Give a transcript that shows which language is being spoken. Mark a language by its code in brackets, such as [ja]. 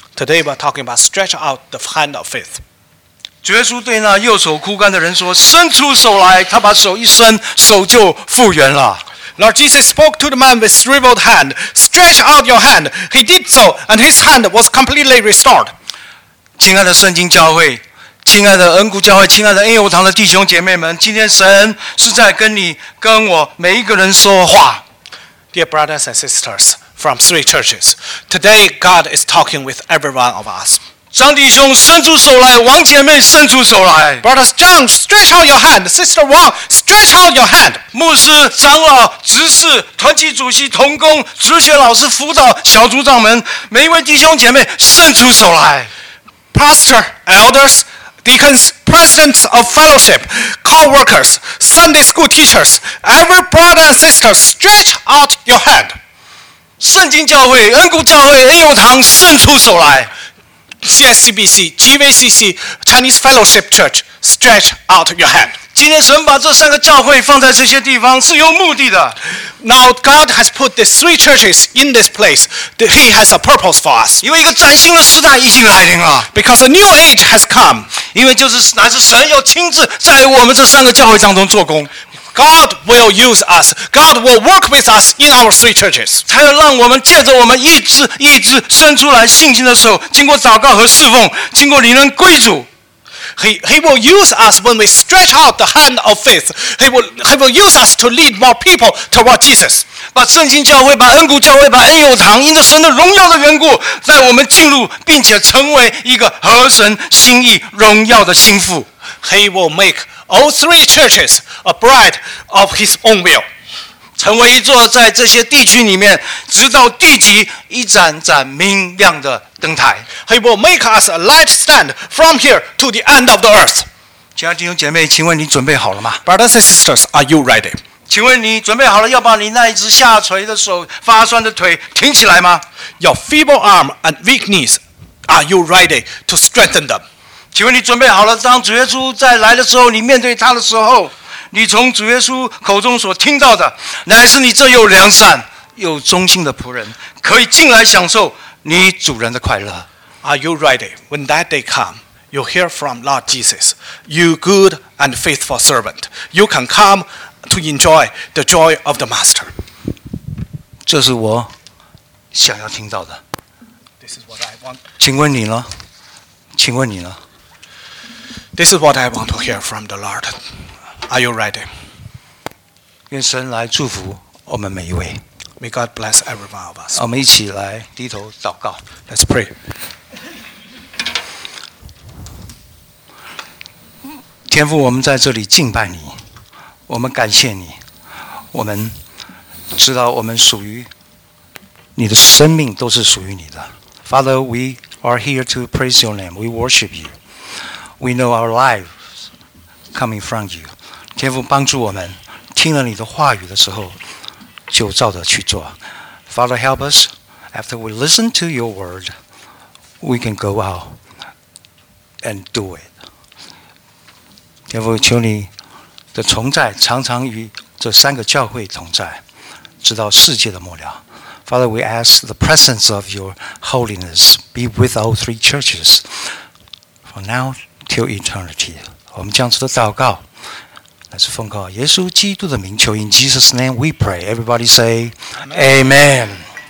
[en] Today we are talking about stretch out the hand of faith. [zh] 主耶稣对那右手枯干的人说：“伸出手来。” 他把手一伸，手就复原了。 [en] Lord Jesus spoke to the man with shriveled hand, "Stretch out your hand." He did so, and his hand was completely restored. [zh] 亲爱的圣经教会。亲爱的恩谷教会，亲爱的恩友堂的弟兄姐妹们，今天神是在跟你、跟我每一个人说话。 [en] Dear brothers and sisters, from three churches. Today, God is talking with every one of us. [zh] 张弟兄伸出手来，王姐妹伸出手来。 [en] Brother John, stretch out your hand. Sister Wang, stretch out your hand. [zh] 牧师、长老、执事、团体主席、同工、主学老师、辅导小组长们，每一位弟兄姐妹伸出手来。 [en] Pastor, elders, deacons, presidents of fellowship, co-workers, Sunday school teachers, every brother and sister, stretch out your hand. [zh] 圣经教会、恩谷教会、恩友堂，伸出手来。 [en] CSCBC, GVCC, Chinese Fellowship Church, stretch out your hand. [zh] 今天神把这三个教会放在这些地方是有目的的。 [en] Now God has put the three churches in this place. He has a purpose for us. [zh] 因为一个崭新的时代已经来临了。 [en] Because a new age has come. [zh] 因为就是乃是神要亲自在我们这三个教会当中做工。 [en] God will use us. God will work with us in our three churches. [zh] 才能让我们借着我们一只一只伸出来信心的手，经过祷告和侍奉，经过灵恩归主。 [en] He will use us when we stretch out the hand of faith. He will use us to lead more people toward Jesus. [zh] 把圣经教会、把恩谷教会、把恩友堂，因着神的荣耀的缘故，带我们进入并且成为一个合神心意、荣耀的心腹。 [en] He will make all three churches a bride of his own will. [zh] 成为一座在这些地区里面直到地极一盏盏明亮的灯台。 [en] He will make us a light stand from here to the end of the earth. [zh] 亲爱的弟兄姐妹，请问你准备好了吗？ [en] Brothers and sisters, are you ready? [zh] 请问你准备好了要把你那一只下垂的手、发酸的腿挺起来吗？ [en] Your feeble arm and weak knees, are you ready to strengthen them? [zh] 请问你准备好了？当主耶稣再来的时候，你面对他的时候，你从主耶稣口中所听到的，乃是你这又良善又忠心的仆人，可以进来享受你主人的快乐。 [en] Are you ready? When that day comes, you hear from Lord Jesus, you good and faithful servant, you can come to enjoy the joy of the Master. [zh] 这是我想要听到的。 [en] This is what I want. [zh] 请问你呢？请问你呢？ [en] This is what I want to hear from the Lord. Are you ready? [zh] 愿神来祝福我们每一位。 [en] May God bless every one of us. [zh] 我们一起来低头祷告。 [en] Let's pray. [zh] 天父，我们在这里敬拜你，我们感谢你，我们知道我们属于你的生命都是属于你的。 [en] Father, we are here to praise your name. We worship you. We know our lives coming from you. [zh] 天父帮助我们，听了你的话语的时候，就照着去做。 [en] Father, help us. After we listen to your word, we can go out and do it. [zh] 天父，求你的同在常常与这三个教会同在，直到世界的末了。 [en] Father, we ask the presence of your holiness be with all three churches. For now. Till eternity. [zh] 我们将这个祷告乃是奉靠耶稣基督的名求 [en] In Jesus' name we pray. Everybody say Amen. Amen.